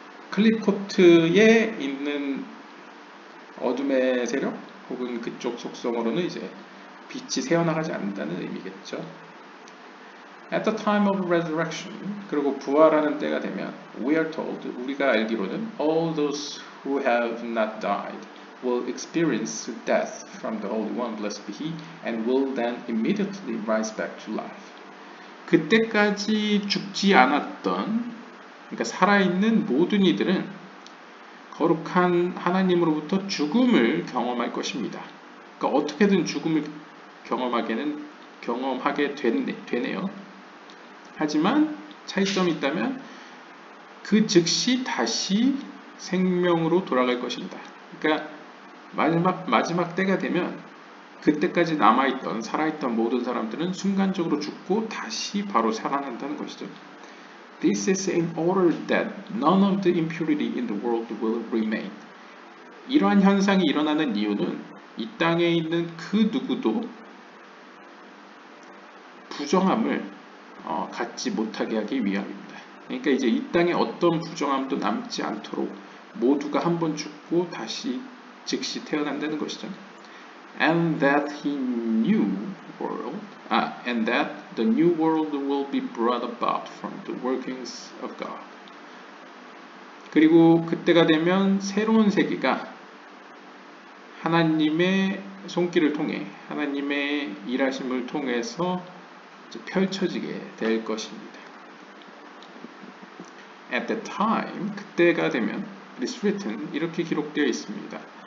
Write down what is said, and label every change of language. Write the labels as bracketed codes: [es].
[ko] 클립코트에 있는 어둠의 세력 혹은 그쪽 속성으로는 이제 빛이 새어나가지 않는다는 의미겠죠. [en] At the time of resurrection, [ko] 그리고 부활하는 때가 되면 [en] We are told, [ko] 우리가 알기로는 [en] All those who have not died will experience death from the Holy One, blessed be He, and will then immediately rise back to life. [ko] 그때까지 죽지 않았던, 그러니까 살아있는 모든 이들은 거룩한 하나님으로부터 죽음을 경험할 것입니다. 그러니까 어떻게든 죽음을 경험하게 되네요. 하지만 차이점이 있다면 그 즉시 다시 생명으로 돌아갈 것입니다. 그러니까 마지막 때가 되면 그때까지 남아있던, 살아있던 모든 사람들은 순간적으로 죽고 다시 바로 살아난다는 것이죠. [en] This is in order that none of the impurity in the world will remain. [ko] 이러한 현상이 일어나는 이유는 이 땅에 있는 그 누구도 부정함을 갖지 못하게 하기 위함입니다. 그러니까 이제 이 땅에 어떤 부정함도 남지 않도록 모두가 한번 죽고 다시 즉시 태어난다는 것이죠. [en] And that he knew world, and that the new world will be brought about from the workings of God. [ko] 그리고 그때가 되면 새로운 세계가 하나님의 손길을 통해, 하나님의 일하심을 통해서 펼쳐지게 될 것입니다. [en] At the time, [ko] 그때가 되면, [en] it is written, [ko] 이렇게 기록되어 있습니다.